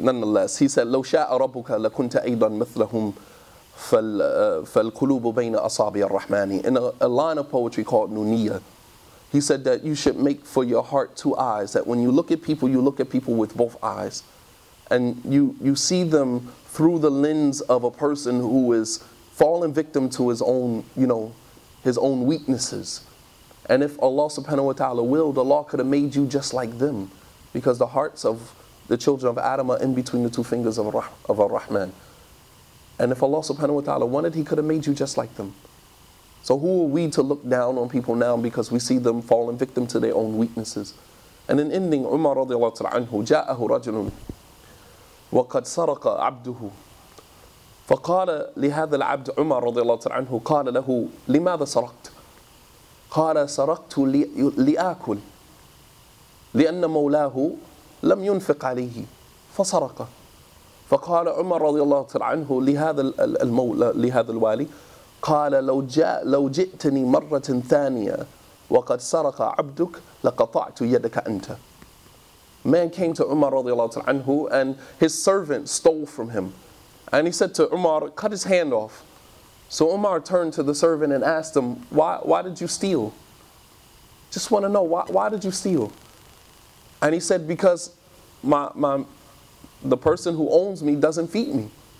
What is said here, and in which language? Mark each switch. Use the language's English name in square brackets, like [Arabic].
[English] Nonetheless, he said, [Arabic] لَوْ شَاءَ رَبُّكَ لَكُنْتَ أَيْضًا مِثْلَهُمْ فَالْقُلُوبُ بَيْنَ أَصَابِيَ الرَّحْمَنِ. [English] In a line of poetry called Nuniya, he said that you should make for your heart two eyes, that when you look at people with both eyes, and you see them through the lens of a person who is falling victim to his own, you know, his own weaknesses. And if Allah subhanahu wa ta'ala willed, Allah could have made you just like them, because the hearts of the children of Adam are in between the two fingers of Ar-Rahman. And if Allah subhanahu wa ta'ala wanted, he could have made you just like them. So who are we to look down on people now because we see them falling victim to their own weaknesses? And in ending, [Arabic] Umar radiallahu ta'ala anhu, جاءه رجل وقد سرق عبده فقال لهذا العبد عمر رضي الله تعالى عنه قال له لماذا سرقت قال سرقت لأكل لأن مولاه لم ينفق عليه فسرق فقال عمر رضي الله تعالى عنه لهذا المولى لهذا الوالي قال لو جئتني مرة ثانية وقد سرق عبدك لقطعت يدك أنت. [English] Man came to Umar radiallahu ta'ala anhu and his servant stole from him. And he said to Umar, cut his hand off. So Umar turned to the servant and asked him, why did you steal? Just want to know, why did you steal? And he said, because the person who owns me doesn't feed me.